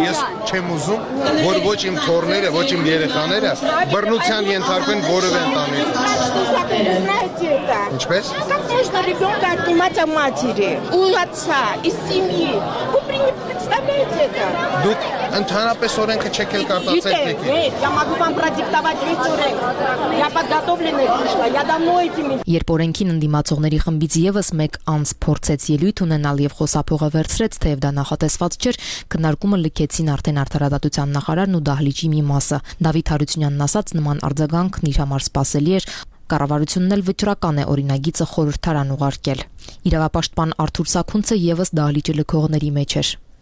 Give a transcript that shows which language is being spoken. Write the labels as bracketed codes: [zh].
[hy] Ես չեմ ուզում, որ ոչ իմ թորները, ոչ իմ երեխաները բռնության ենթարկվեն որևէ ընտանիքի։ Ինչպես? [ru] Как можно ребёнка отнимать от матери, у отца, из семьи? Вы представляете это? [hy] Դուք ընդհանրապես օրենքը չեք էլ կարտացել դեք։ [ru] Я могу вам продиктовать весь урок. Я подготовленный пришла. Я давно этим. [hy] Երբ օրենքին ընդդիմացողների խմբից եւս մեկ անձ փորձեց ելույթ ունենալ եւ խոսափողը վերցրեց, թեև դա նախատեսված չէր, քննարկումը լքեցին արդեն արդարադատության նախարարն ու դահլիճի մի մասը։ Դավիթ Հարությունյանն ասաց, նման արձագանքն իր համար սպասելի էր, կառավարությունն էլ վճռական է օրինագիծը խորհրդարան ուղարկել։ Իրավապաշտպան Արթուր Սաքունցը ևս դահլիճի լքողների մեջ էր։